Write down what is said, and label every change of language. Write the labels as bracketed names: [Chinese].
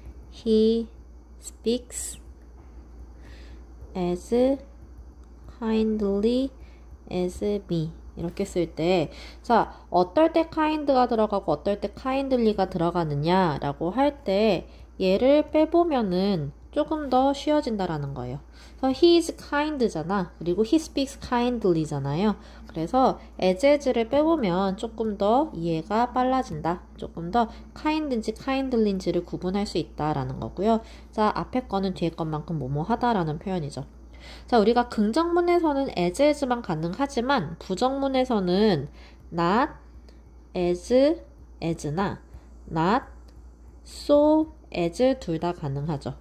[English] He speaks as kindly as me. [Korean] 이렇게 쓸 때, 자, 어떨 때 kind가 들어가고 어떨 때 kindly가 들어가느냐라고 할 때, 얘를 빼보면은 조금 더 쉬워진다라는 거예요. 그래서 [English] he is kind [Korean] 잖아. 그리고 [English] he speaks kindly [Korean] 잖아요. 그래서 as를 빼보면 조금 더 이해가 빨라진다. 조금 더 kind인지 kindly인지를 구분할 수 있다라는 거고요. 자, 앞에 거는 뒤에 것만큼 뭐뭐하다라는 표현이죠. 자, 우리가 긍정문에서는 as만 가능하지만 부정문에서는 not as, as나 not so as 둘다 가능하죠.